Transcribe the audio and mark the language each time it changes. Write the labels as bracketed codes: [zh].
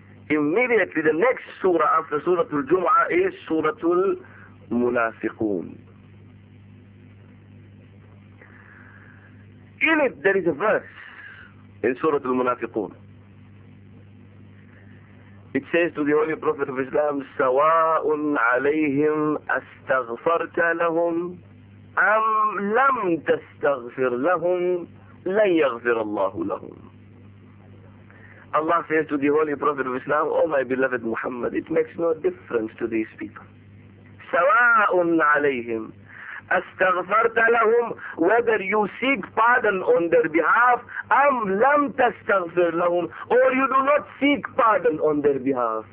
[en] Immediately the next surah after Suratul Jum'ah is Suratul Munafiqun. In it there is a verse in Suratul Munafiqun. It says to the Holy Prophet of Islam, [ar] سَوَاءٌ عَلَيْهِمْ أَسْتَغْفَرْتَ لَهُمْ أَمْ لَمْ تَسْتَغْفِرْ لَهُمْ لَنْ يَغْفِرَ اللَّهُ لَهُمْ. [en] Allah says to the Holy Prophet of Islam, O my beloved Muhammad, it makes no difference to these people. [ar] سَوَاءٌ عَلَيْهِمْ أَسْتَغْفَرْتَ لَهُمْ [en] whether you seek pardon on their behalf [ar] أَمْ لَمْ تَسْتَغْفِرْ لَهُمْ [en] or you do not seek pardon on their behalf.